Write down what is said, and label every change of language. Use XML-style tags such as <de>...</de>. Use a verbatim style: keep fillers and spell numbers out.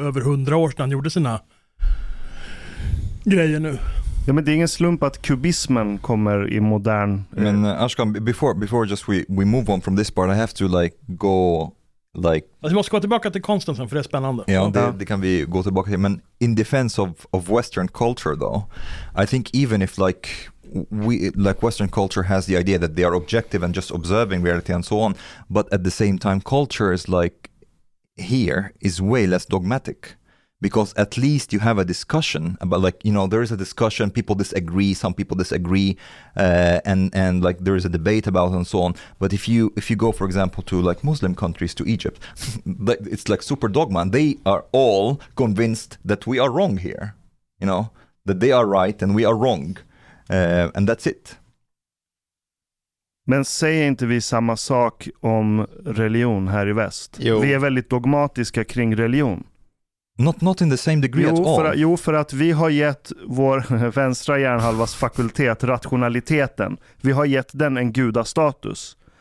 <sv>över hundra år sedan han gjorde sina grejer nu. Ja, men det är ingen slump att kubismen kommer i modern...</sv> <en>Men uh, Ashkan, before, before just we, we move on from this part, I have to like go... Like,</en> <sv>alltså, vi måste gå tillbaka till konsten sen, för det är spännande. Ja, det, det kan vi gå tillbaka till.</sv> <en>Men in defense of, of Western culture though, I think even if like, we, like Western culture has the idea that they are objective and just observing reality and so on, but at the same time culture is like, here is way less dogmatic. Because at least you have a discussion about, like, you know, there is a discussion, people disagree, some people disagree, uh, and, and like there is a debate about and so on. But if you if you go, for example, to like Muslim countries, to Egypt, it's like super dogma. They are all convinced that we are wrong here, you know, that they are right and we are wrong. Uh, and that's it.</en> <sv>Men säger inte vi samma sak om religion här i väst? Jo. Vi är väldigt dogmatiska kring religion.</sv> <en>Not, not in the same degree</en> <sv>jo,</sv> <en>at all.</en> <sv>För att, jo, för att vi har gett vår vänstra hjärnhalvas fakultet, rationaliteten, vi har gett den en gudastatus.</sv>